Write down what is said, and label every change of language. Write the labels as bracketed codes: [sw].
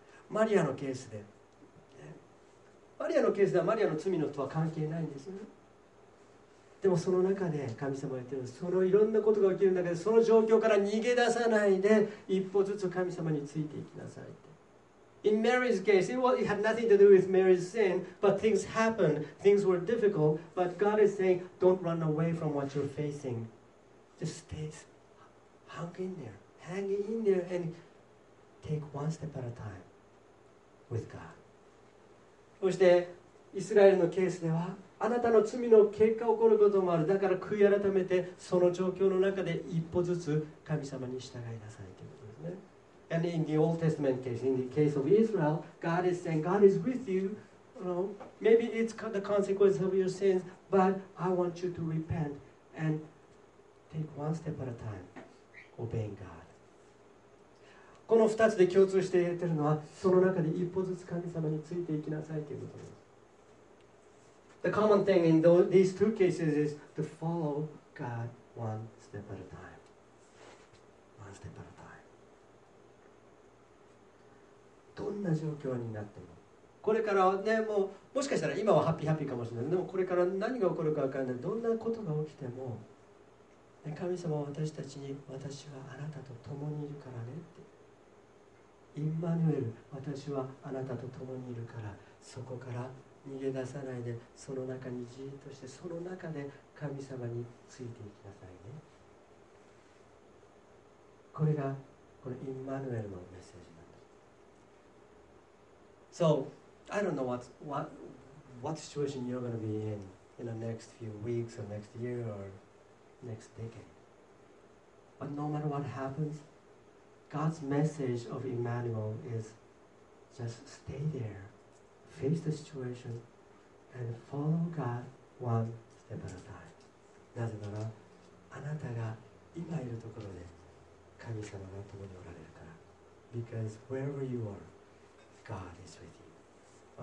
[ja] マリアのケースで、マリアのケースではマリアの罪のとは関係ないんですよね。でもその中で神様が言っている、そのいろんなことが起きる中で、その状況から逃げ出さないで、一歩ずつ神様についていきなさいって。 [en] In Mary's case, it had nothing to do with Mary's sin, but things happened, things were difficult, but God is saying, don't run away from what you're facing. Just stay, hang in there, and take one step at a time with God. [ja] そして、イスラエルのケースでは、あなたの罪の結果起こることもある、だから悔い改めて、その状況の中で一歩ずつ神様に従いなさいということですね。 [en] And in the Old Testament case, in the case of Israel, God is saying, God is with you. You know, maybe it's the consequence of your sins, but I want you to repent and take one step at a time, obeying God. [ja] この2つで共通して言ってるのは、その中で一歩ずつ神様についていきなさいということです。 [en] The common thing in these two cases is to follow God one step at a time. One step at a time. [ja] どんな状況になってもこれからね もしかしたら今はハッピーハッピーかもしれないでもこれから何が起こるか分からないどんなことが起きても、ね、神様は私たちに私はあなたと共にいるからねってインマヌエル私はあなたと共にいるからそこから逃げ出さないでその中にじーっとしてその中で神様についていきなさいねこれがこのインマヌエルのメッセージなんだ。 [en] So, I don't know what situation you're going to be in the next few weeks or next year or next decade. But no matter what happens, God's message of Emmanuel is just stay there, face the situation, and follow God one step at a time. [ja] なぜなら、あなたが今いるところで神様が共におられるから。 [en] Because wherever you are, God is with you.